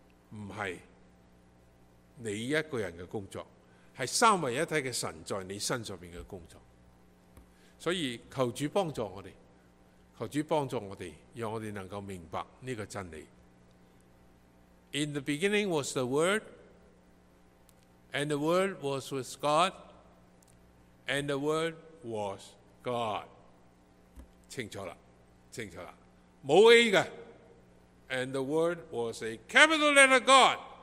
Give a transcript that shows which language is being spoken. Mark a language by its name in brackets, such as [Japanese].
[Chinese] 不是你一个人的工作，是三位一体的神在你身上的工作。所以求主帮助我们，求主帮助我们，让我们能够明白这个真理。 [English] In the beginning was the Word, and the Word was with God, and the Word was God. [Chinese] 清楚了，清楚了，没有 A 的。 [English] And the Word was a capital letter God。